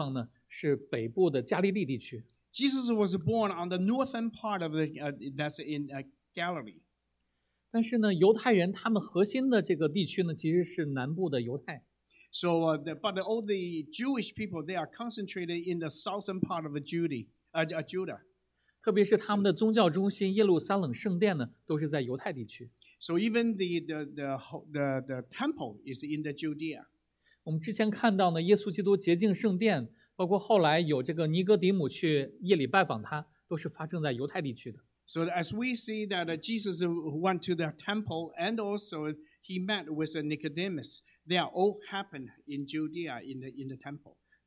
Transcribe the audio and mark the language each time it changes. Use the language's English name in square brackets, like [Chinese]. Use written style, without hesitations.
[Chinese] 耶稣基督呢，他出生成长的地方呢，是北部的加利利地区。 [English] Jesus was born on the northern part of the that's in Galilee. [Chinese] 但是呢，犹太人他们核心的这个地区呢，其实是南部的犹太。 [English] So, but all the Jewish people they are concentrated in the southern part of Judah. [Chinese] 特别是他们的宗教中心耶路撒冷圣殿呢，都是在犹太地区。 [English] So even the temple is in the Judea. [Chinese] 我们之前看到呢，耶稣基督洁净圣殿。包括后来有这个尼哥底母去耶里拜访他，都是发生在犹太地区的。 [English] So as we see that Jesus went to the temple and also he met with Nicodemus, they are all happened in Judea in the temple.